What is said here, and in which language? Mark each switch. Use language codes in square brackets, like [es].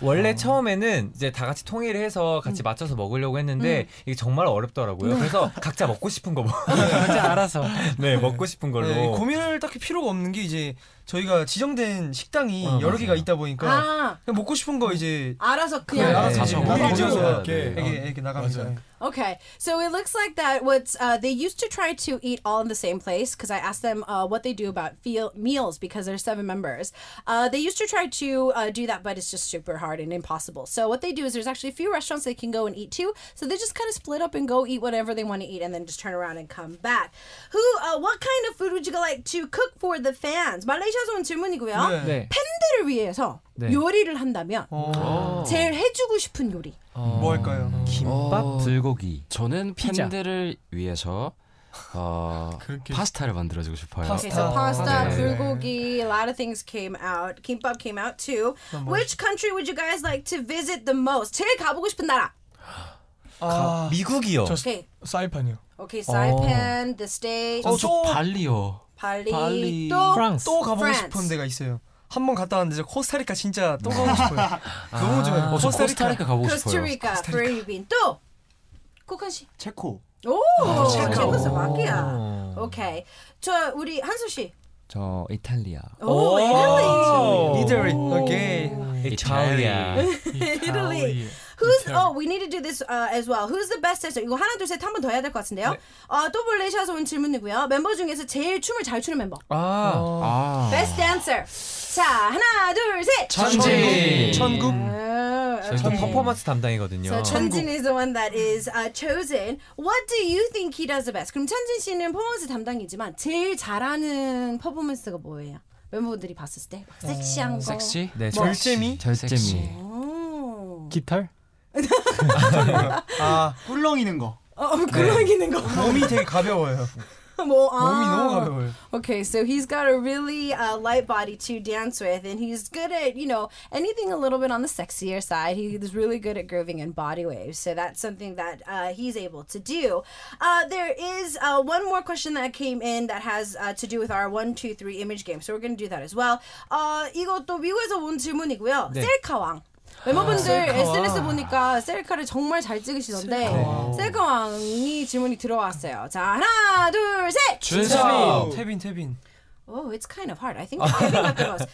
[ko] 원래 처음에는 이제 다 같이 통일을 해서 같이 맞춰서 먹으려고 했는데 이게 정말 어렵더라고요 그래서 각자 먹고 싶은 거 각자 알아서 네 먹고 싶은 걸로 네, 고민을 딱히 필요가 없는 게 이제 저희가 지정된 식당이 여러 맞아요. 개가 있다 보니까 그냥 먹고 싶은 거 이제 알아서 그냥 네, 알아서 자주 먹고 싶어서 이렇게 나가면서 [en] Okay, so it looks like that what's, they used to try to eat all in the same place because I asked them what they do about meals because there are seven members. They used to try to do that, but it's just super hard and impossible. So what they do is there's actually a few restaurants they can go and eat to. So they just kind of split up and go eat whatever they want to eat and then just turn around and come back. What kind of food would you like to cook for the fans? [ko] 말레이시아에서 온 질문이고요. 네. 팬들을 위해서 네. 요리를 한다면 제일 해주고 싶은 요리. 뭐 할까요? 김밥, 불고기. 저는 팬들을 피자. 위해서 파스타를 만들어주고 싶어요. [en] 파스타, okay, so 파스타 네. 불고기, a lot of things came out. 김밥 came out too. Which country would you guys like to visit the most? [ko] 제일 가보고 싶은 나라. 미국이요. 저 okay. 사이판이요. [en] Okay, Saipan, the state. [ko] 저 발리요. 발리. 또 프랑스. 또 가보고 프랑스. 싶은 데가 있어요. 한번 갔다 왔는데 코스타리카 진짜 또 가고 싶어요. 너무 좋아요. 코스타리카 가고 싶어요. 코스타리카, 필리핀 또 코칸시. 체코. 오, 체코서 맞기야. 오케이. 저 우리 한수 씨. 저 이탈리아. 오, 이탈리아. 이탈리. 오케이. 이탈리아. 이탈리. Who's? [en] Oh, we need to do this as well. Who's the best dancer? [ko] 이거 하나 둘 셋 한 번 더 해야 될 것 같은데요. 네. 또 블레이셔서 온 질문이고요. 멤버 중에서 제일 춤을 잘 추는 멤버. 아. 아. [en] Best dancer. [ko] 자, 하나 둘 셋. 천진. 천국. 저희도 퍼포먼스 담당이거든요. [en] So, 천진 is the one that is chosen. What do you think he does the best? [ko] 그럼 천진 씨는 퍼포먼스 담당이지만 제일 잘하는 퍼포먼스가 뭐예요? 멤버들이 봤을 때 섹시한 거. 섹시? 네, 뭐. 절제미? 절제미. 깃털? 아, 꿀렁이는 거. 꿀렁이는 거. 몸이 되게 가벼워요. 뭐, 몸이 너무 가벼워요. [en] Okay, so he's got a really light body to dance with, and he's good at, you know, anything a little bit on the sexier side. He's really good at grooving and body waves, so that's something that he's able to do. There is one more question that came in that has to do with our 1-2-3 image game, so we're going to do that as well. [ko] 이것도 미국에서 온 질문이고요. 네. 셀카왕. 멤버분들 아, 셀카와. SNS 보니까 셀카를 정말 잘 찍으시던데 셀카왕이 질문이 들어왔어요. 자 하나 둘 셋! 준섭이! 태빈 태빈 [en] Oh, it's kind of hard. I think [ko] 태빈 같은 것 같아요.